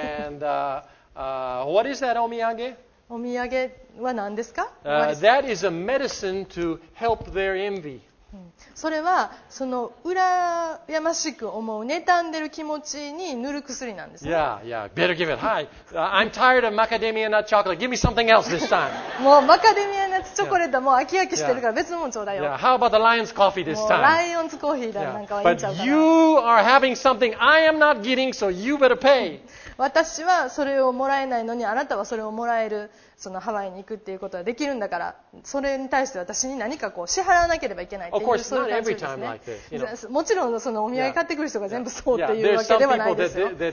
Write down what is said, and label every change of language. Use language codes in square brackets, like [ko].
[en] And what is that お土産？ [ja] お土産は何ですか？ [en] That is a medicine to help their envy. [ja] それはその羨ましく思う妬んでる気持ちに塗る薬なんですね。 [en] Yeah, yeah. Better give it. Hi. I'm tired of macadamia nut chocolate. Give me something else this time. [ja] もうマカデミアチョコレートもう飽き飽きしてるから別のもんちょうだいよ。 [en] Yeah. How about the lion's coffee this time? [ja] もうライオンズコーヒーだ、yeah. なんかはいいんちゃうかな。 [en] But you are having something I am not getting, so you better pay. [ja] 私はそれをもらえないのにあなたはそれをもらえる、そのハワイに行くっていうことはできるんだから、それに対して私に何かこう支払わなければいけないっていう、そういう感じですね。もちろんそのお土産買ってくる人が全部そうっていうわけではないですよ。